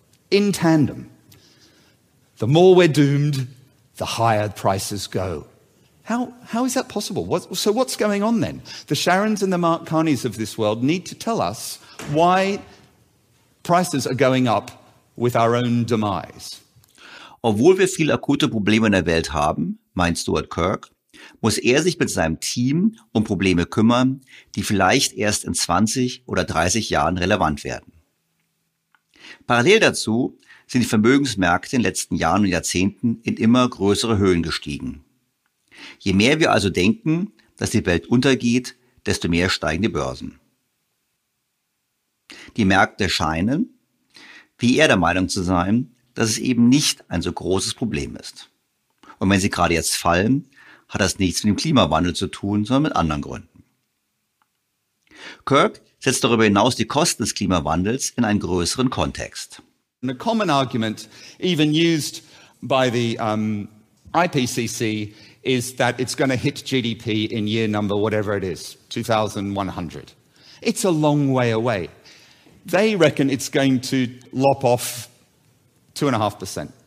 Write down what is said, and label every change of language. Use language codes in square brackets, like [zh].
[en] In tandem, the more we're doomed, the higher prices go. How is that possible? So what's going on then? The Sharons and the Mark Carneys of this world need to tell us why prices are going up with our own demise. [de] Obwohl wir viele akute Probleme in der Welt haben, meint Stuart Kirk, muss er sich mit seinem Team um Probleme kümmern, die vielleicht erst in 20 oder 30 Jahren relevant werden. Parallel dazu sind die Vermögensmärkte in den letzten Jahren und Jahrzehnten in immer größere Höhen gestiegen. Je mehr wir also denken, dass die Welt untergeht, desto mehr steigen die Börsen. Die Märkte scheinen, wie er der Meinung zu sein, dass es eben nicht ein so großes Problem ist. Und wenn sie gerade jetzt fallen, hat das nichts mit dem Klimawandel zu tun, sondern mit anderen Gründen. Kirk setzt darüber hinaus die Kosten des Klimawandels in einen größeren Kontext. [en] A common argument even used by the IPCC is that it's going to hit GDP in year number whatever it is, 2100. It's a long way away. They reckon it's going to lop off 2.5%.